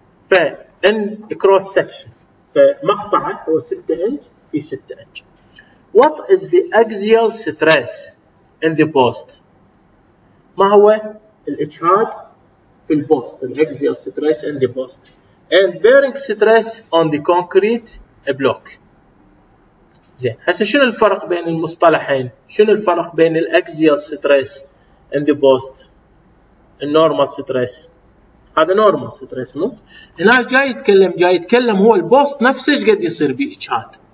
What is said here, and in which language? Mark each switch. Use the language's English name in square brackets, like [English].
[Arabic] ف [English] in cross section, [Arabic] فمقطعه هو 6 انج في 6 انج. [English] What is the axial stress in the post؟ [Arabic] ما هو الاجهاد في البوست؟ [English] الاكزيال stress in the post. And bearing stress on the concrete block. [Arabic] زين، هسه شنو الفرق بين المصطلحين؟ شنو الفرق بين [English] الاكزيال stress in the post? [Arabic] النورمال ستريس، هذا نورمال ستريس مو؟ هنا جاي يتكلم هو البوست نفسه ايش قد يصير به اجهاد.